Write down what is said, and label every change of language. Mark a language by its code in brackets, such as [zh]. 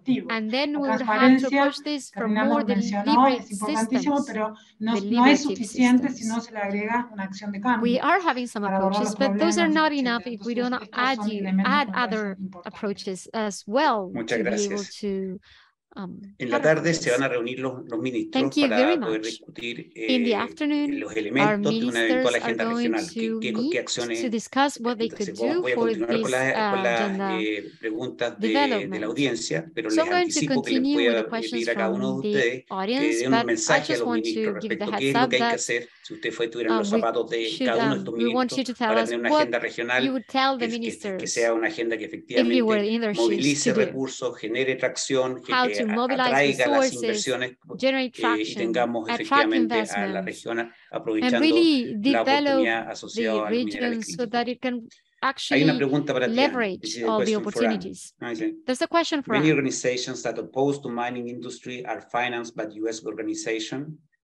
[en] And then we would have to approach this from more deliberative systems. We are having some approaches, but those are not enough if we don't add other approaches as well to be able to... [es] En la tarde se van a reunir los ministros para poder discutir los elementos de una eventual agenda regional. ¿Qué acciones? Entonces, voy a continuar con las preguntas de la audiencia, pero les anticipo que les voy a pedir a cada uno de ustedes que den un mensaje a los ministros respecto a qué es lo que hay que hacer si usted tuviera los zapatos de cada uno de estos ministros para tener una agenda regional que sea una agenda que efectivamente movilice recursos, genere tracción, [en] to mobilize resources, generate traction, attract investment, and really develop the region so that it can actually leverage all the opportunities. There's a question for many organizations that oppose to mining industry are financed by U.S. organization.